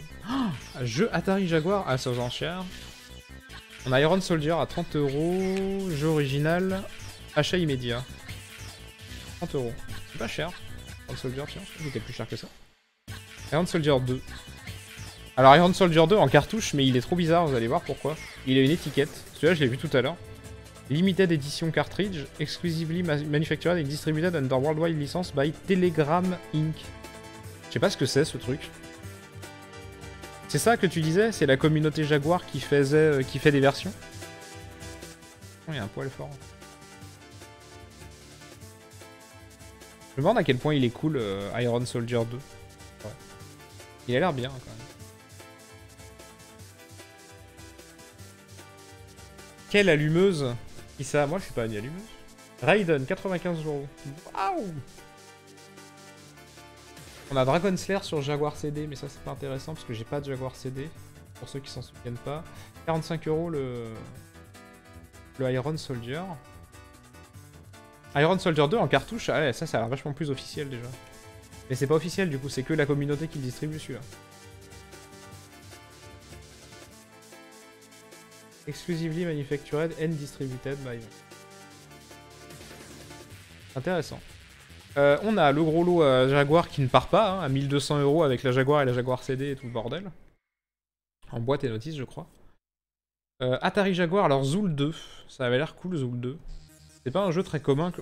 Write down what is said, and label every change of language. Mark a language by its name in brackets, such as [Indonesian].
[French] Oh, jeu Atari Jaguar. Ah, c'est aux enchères. On a Iron Soldier à 30€. Jeu original. Achat immédiat. 30€. C'est pas cher. Iron Soldier, tiens. Il était plus cher que ça. Iron Soldier 2. Alors, Iron Soldier 2 en cartouche, mais il est trop bizarre. Vous allez voir pourquoi. Il a une étiquette. Celui-là, je l'ai vu tout à l'heure. [English] Limited edition cartridge, exclusively manufactured and distributed under worldwide license by Telegram Inc. [French] Je sais pas ce que c'est ce truc. C'est ça que tu disais, c'est la communauté Jaguar qui fait des versions. Oh, il y a un poil fort. Je me demande à quel point il est cool Iron Soldier 2. Ouais. Il a l'air bien quand même. Quelle allumeuse! Qui ça? Moi je suis pas un allumeur. Raiden, 95€. Waouh! On a Dragon Slayer sur Jaguar CD, mais ça c'est pas intéressant parce que j'ai pas de Jaguar CD. Pour ceux qui s'en souviennent pas. 45€ le Iron Soldier. Iron Soldier 2 en cartouche, ah ouais, ça a l'air vachement plus officiel déjà. Mais c'est pas officiel du coup, c'est que la communauté qui le distribue celui-là. [English] Exclusively manufactured and distributed by. [French] Intéressant. On a le gros lot Jaguar qui ne part pas, hein, à 1200€ avec la Jaguar et la Jaguar CD et tout le bordel. En boîte et notice, je crois. Atari Jaguar, alors Zool 2. Ça avait l'air cool, Zool 2. C'est pas un jeu très commun. Que...